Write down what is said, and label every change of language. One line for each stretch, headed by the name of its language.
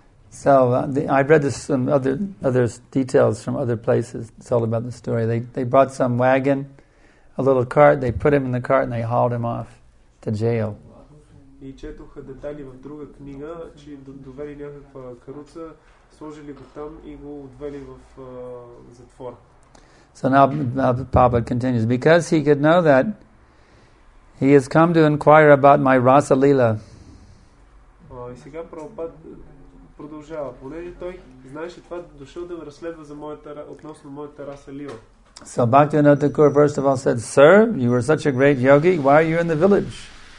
English: So I've read this, some other details from other places. It's all about the story. They brought some wagon, a little cart. They put him in the cart and they hauled him off to jail.
Bulgarian: И четоха детали в друга книга, че довели някаква каруца, сложили го там и го отвели в затвор.
English: So now Papa continues, because he could know that, he has come to inquire about my Rasa Lila.
Bulgarian: И сега Прабхупад продължава, понеже той знаеше това, дошъл да ме разследва за моята, относно моята Раса Лила.
English: So Bhaktivinoda Thakur first of all said, sir, you were such a great yogi, why are you in the village?